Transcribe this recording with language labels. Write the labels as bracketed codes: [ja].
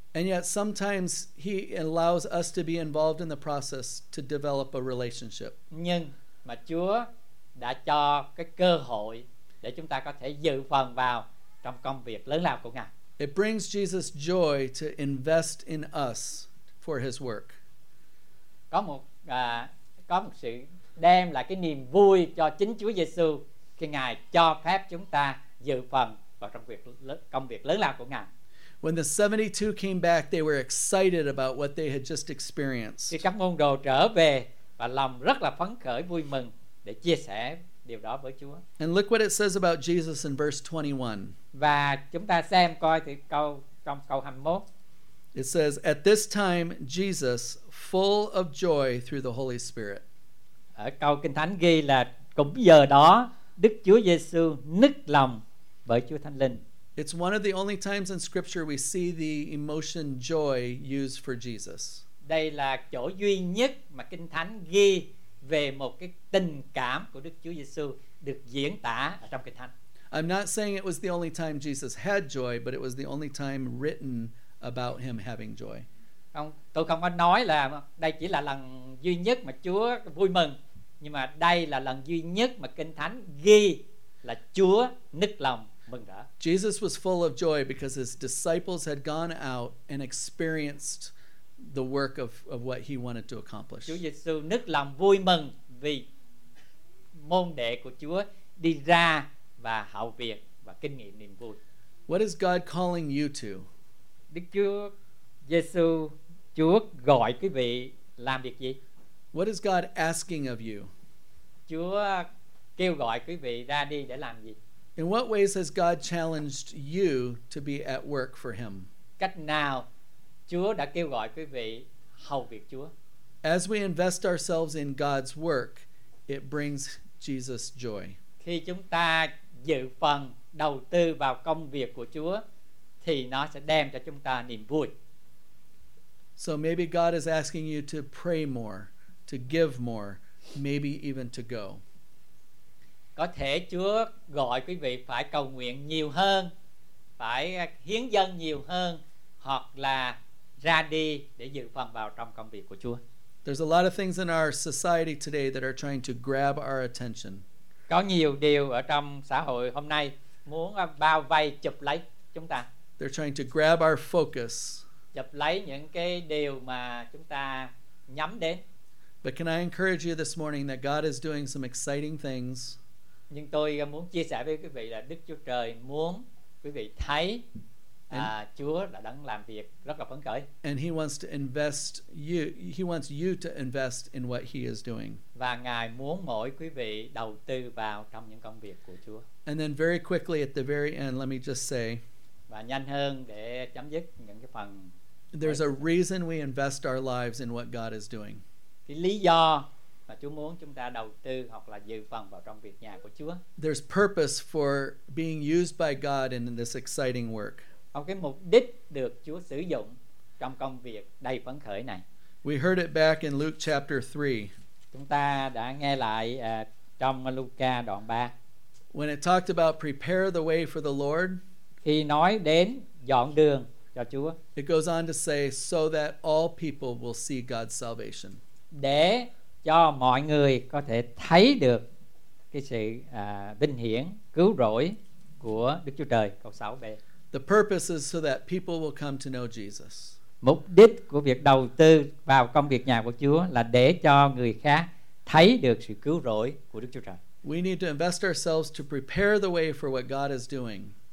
[en] And yet sometimes he allows us to be involved in the process to develop a relationship. [vi] Nhưng mà Chúa đã cho cái cơ hội để chúng ta có thể dự phần vào trong công việc lớn lao của Ngài. [en] It brings Jesus joy to invest in us for his work. [vi] Có một sự đem lại cái niềm vui cho chính Chúa Giêsu khi Ngài cho phép chúng ta dự phần vào trong công việc lớn lao của Ngài. [en] When the 72 came back, they were excited about what they had just experienced. [vi] Khi các môn đồ trở về và lòng rất là phấn khởi vui mừng để chia sẻ điều đó với Chúa. [en] And look what it says about Jesus in verse 21. [vi] Và chúng ta xem coi thì câu trong câu 21. [en] It says, at this time Jesus, full of joy through the Holy Spirit. [vi] Ở câu Kinh Thánh ghi là cũng giờ đó Đức Chúa Giêsu nức lòng bởi Chúa Thánh Linh. [en] It's one of the only times in scripture we see the emotion joy used for Jesus. [vi] Đây là chỗ duy nhất mà Kinh Thánh ghi về một cái tình cảm của Đức Chúa Giêsu được diễn tả ở trong Kinh Thánh. [en] I'm not saying it was the only time Jesus had joy, but it was the only time written about him having joy. [vi] Tôi không có nói là đây chỉ là lần duy nhất mà Chúa vui mừng, nhưng mà đây là lần duy nhất mà Kinh Thánh ghi là Chúa nức lòng mừng rỡ. [en] Jesus was full of joy because his disciples had gone out and experienced the work of what he wanted to accomplish. [vi] Chúa Giêsu nức lòng vui mừng vì môn đệ của Chúa đi ra và hầu việc và kinh nghiệm niềm vui. [en] What is God calling you to? [vi] Đức Chúa Giêsu, Chúa gọi quý vị làm việc gì? [en] What is God asking of you? [vi] Chúa kêu gọi quý vị ra đi để làm gì? [en] In what ways has God challenged you to be at work for him? [vi] Cách nào Chúa đã kêu gọi quý vị hầu việc Chúa? [en] As we invest ourselves in God's work, it brings Jesus joy. [vi] Khi chúng ta dự phần đầu tư vào công việc của Chúa thì nó sẽ đem cho chúng ta niềm vui. [en] So maybe God is asking you to pray more, to give more, maybe even to go. [vi] Có thể Chúa gọi quý vị phải cầu nguyện nhiều hơn, phải hiến dâng nhiều hơn, hoặc là ra đi để dự phần vào trong công việc của Chúa. [en] There's a lot of things in our society today that are trying to grab our attention. [vi] Có nhiều điều ở trong xã hội hôm nay muốn bao vây chụp lấy chúng ta. [en] They're trying to grab our focus. [vi] Chụp lấy những cái điều mà chúng ta nhắm đến. [en] But can I encourage you this morning that God is doing some exciting things? [vi] Nhưng tôi muốn chia sẻ với quý vị là Đức Chúa Trời muốn quý vị thấy Chúa đã đang làm việc rất là phấn khởi. [en] And he wants you to invest in what he is doing. [vi] Và Ngài muốn mỗi quý vị đầu tư vào trong những công việc của Chúa. [en] And then very quickly at the very end, let me just say, [vi] và nhanh hơn để chấm dứt những cái phần, [en] there's a reason we invest our lives in what God is doing. [vi] Cái lý do mà Chúa muốn chúng ta đầu tư hoặc là dự phần vào trong việc nhà của Chúa. [en] There's purpose for being used by God in this exciting work. [vi] Có cái mục đích được Chúa sử dụng trong công việc đầy phấn khởi này. [en] We heard it back in Luke chapter 3. [vi] Chúng ta đã nghe lại trong Luca đoạn 3. [en] When it talked about prepare the way for the Lord, [vi] khi nói đến dọn đường cho Chúa. [en] It goes on to say so that all people will see God's salvation. [vi] Để cho mọi người có thể thấy được cái sự vinh hiển cứu rỗi của Đức Chúa Trời. Câu 6b. [en] The purpose is so that people will come to know Jesus. [vi] Mục đích của việc đầu tư vào công việc nhà của Chúa là để cho người khác thấy được sự cứu rỗi của Đức Chúa Trời. [en] We need to invest ourselves to prepare the way for what God is doing.